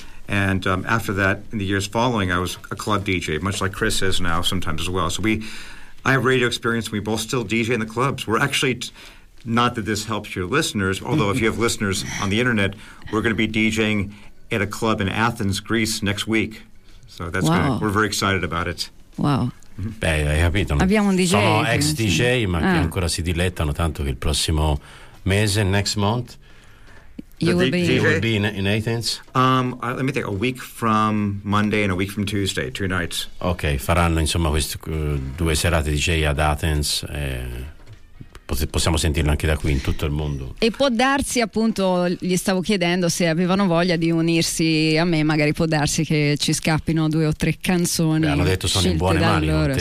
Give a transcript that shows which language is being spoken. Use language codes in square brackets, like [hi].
[en] And after that, in the years following, I was a club DJ, much like Chris is now sometimes as well. So I have radio experience. We both still DJ in the clubs. We're actually, not that this helps your listeners, although if you have listeners on the internet, we're going to be DJing at a club in Athens, Greece next week. So that's wow. We're very excited about it. Wow. [it] Beh, hai capito. Abbiamo un DJ. Sono ex DJ, ma che ancora si dilettano tanto che il prossimo mese, [en] next month, you will be in Athens. Let me think. A week from Monday and a week from Tuesday, two nights. [it] Okay, faranno insomma queste due serate DJ ad Athens. possiamo sentirlo anche da qui in tutto il mondo. E può darsi, appunto, gli stavo chiedendo se avevano voglia di unirsi a me, magari può darsi che ci scappino due o tre canzoni. Beh, hanno detto sono in buone mani.